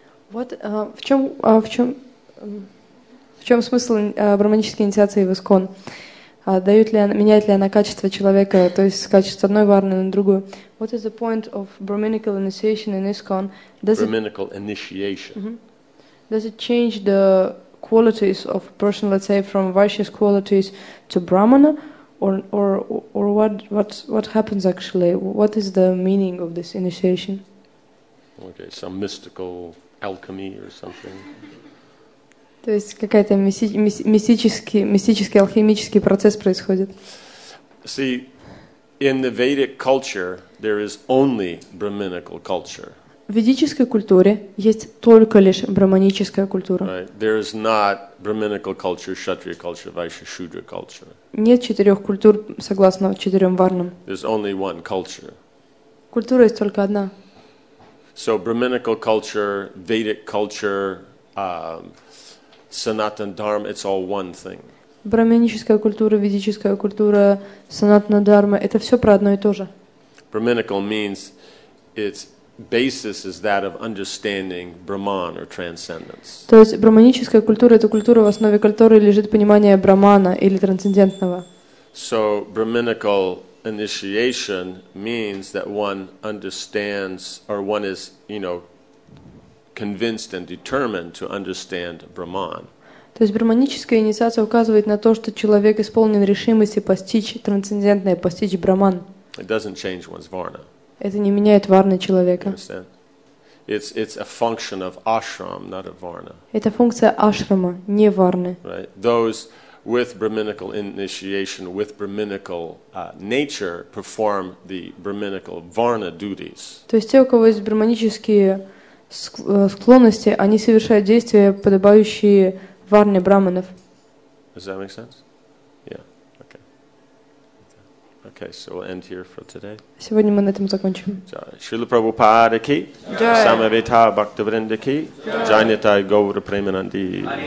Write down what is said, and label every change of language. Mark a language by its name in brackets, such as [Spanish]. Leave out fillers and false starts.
[Russian] Вот в чем смысл брахманической инициации в ИСККОН? Дает ли она, меняет ли она качество человека, то есть с качества одной варны на другую? [English] What is the point of brahmanical initiation in ISKCON? Brahmanical initiation. Does it change the qualities of a person, let's say, from Vaishya's qualities to Brahmana, or what happens actually? What is the meaning of this initiation? Okay, some mystical alchemy or something. [Russian] То есть какая-то мистический алхимический процесс происходит. [English] See, in the Vedic culture there is only brahmanical culture. [Russian] В ведической культуре есть только лишь брахманическая культура. [English] Right. There is not brahmanical culture, kshatriya culture, vaishya shudra culture. [Russian] Нет четырех культур согласно четырем варнам. [English] There's only one culture. [Russian] Культура есть только одна. [English] So brahmanical culture, Vedic culture, Sanatan Dharma, it's all one thing. [Russian] Брахманическая культура, ведическая культура, Санатана Дхарма, это все про одно и то же. [English] Brahmanical means its basis is that of understanding Brahman or transcendence. [Russian] То есть брахманическая культура это культура, в основе которой лежит понимание Брахмана или трансцендентного. [English] So brahmanical initiation means that one understands, or one is, you know, convinced and determined to understand Brahman. [Russian] То есть брахманическая инициация указывает на то, что человек исполнен решимости постичь трансцендентное, постичь Брахман. [English] It doesn't change one's varna. [Russian] Это не меняет варны человека. [English] Understand? It's a function of ashram, not of varna. [Russian] Это функция ашрама, не варны. [English] Right. Those with brahmanical initiation, with brahmanical nature, perform the brahmanical varna duties. [Russian] То есть те, у кого есть брахманические склонности, они совершают действия, подобающие варне брахманов. [English] Does that make sense? Yeah. Okay. Okay. So we'll end here for today. [Russian] Сегодня мы на этом закончим. [Sanskrit] Шрила Прабхупада ки, самавита бхактивринда ки, джанитай гаура преминанди.